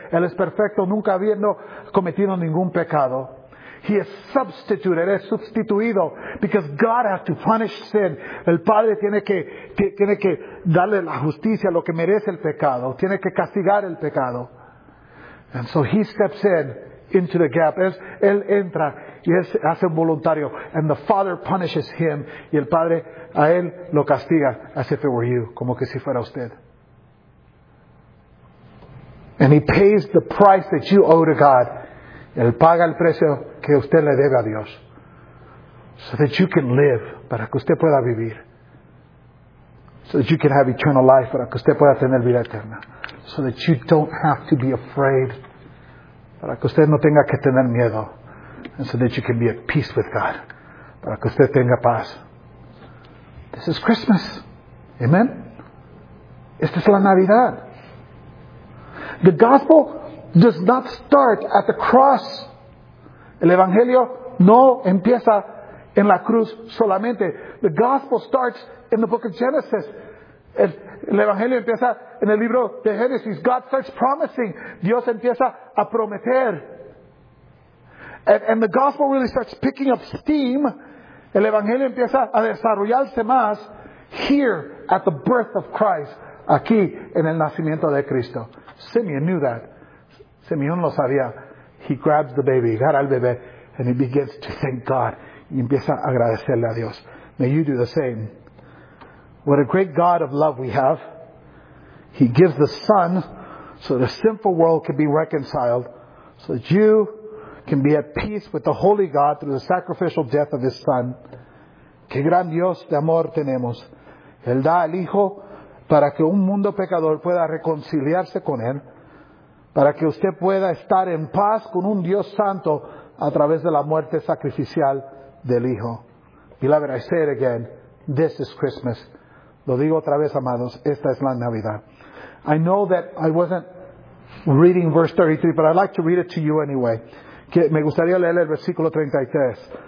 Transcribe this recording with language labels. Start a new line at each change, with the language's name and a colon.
Spanish: Él es perfecto, nunca habiendo cometido ningún pecado.
English: He is substituted,
Spanish: es sustituido,
English: because God has to punish sin.
Spanish: El Padre tiene que darle la justicia, lo que merece el pecado. Tiene que castigar el pecado.
English: And so He steps in into the gap.
Spanish: Él entra y él hace un voluntario.
English: And the Father punishes Him.
Spanish: Y el Padre a Él lo castiga,
English: as if it were you,
Spanish: como que si fuera usted.
English: And He pays the price that you owe to God.
Spanish: Él paga el precio que usted le debe a Dios.
English: So that you can live,
Spanish: para que usted pueda vivir.
English: So that you can have eternal life,
Spanish: para que usted pueda tener vida eterna.
English: So that you don't have to be afraid,
Spanish: para que usted no tenga que tener miedo.
English: And so that you can be at peace with God,
Spanish: para que usted tenga paz.
English: This is Christmas. Amen?
Spanish: Esta es la Navidad.
English: The gospel does not start at the cross.
Spanish: El Evangelio no empieza en la cruz solamente.
English: The gospel starts in the book of Genesis.
Spanish: El Evangelio empieza en el libro de Génesis.
English: God starts promising.
Spanish: Dios empieza a prometer.
English: And the gospel really starts picking up steam.
Spanish: El Evangelio empieza a desarrollarse más
English: here at the birth of Christ.
Spanish: Aquí en el nacimiento de Cristo.
English: Simeon knew that.
Spanish: Simeón lo sabía.
English: He grabs the baby.
Spanish: Agarra al bebé.
English: And he begins to thank God.
Spanish: Y empieza a agradecerle a Dios.
English: May you do the same. What a great God of love we have. He gives the Son so the sinful world can be reconciled. So that you can be at peace with the holy God through the sacrificial death of His Son.
Spanish: Qué gran Dios de amor tenemos. Él da al Hijo para que un mundo pecador pueda reconciliarse con Él. Para que usted pueda estar en paz con un Dios santo a través de la muerte sacrificial del Hijo.
English: Beloved, I say it again. This is Christmas.
Spanish: Lo digo otra vez, amados. Esta es la Navidad.
English: I know that I wasn't reading verse 33, but I'd like to read it to you anyway.
Spanish: Que me gustaría leer el versículo 33.